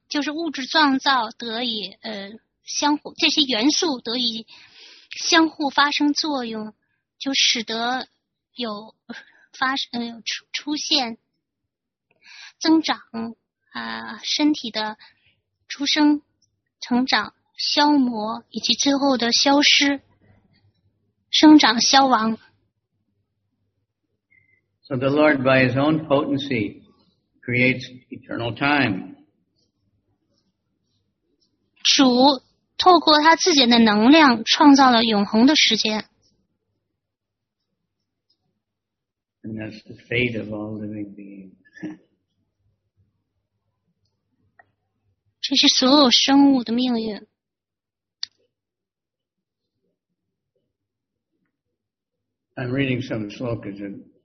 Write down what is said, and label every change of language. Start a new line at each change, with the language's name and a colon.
Chinese: 就是物质创造得以相互，这些元素得以相互发生作用，就使得有发生出现增长身体的出生、成长、消磨以及最后的消失、生长、消亡。
English: So the Lord, by His own potency, creates eternal time.
Chinese: 主透过他自己的能量创造了永恒的时间。
English: And that's the fate of all living beings.
Chinese: 这是所有生物的命运。
English: I'm reading some slokas.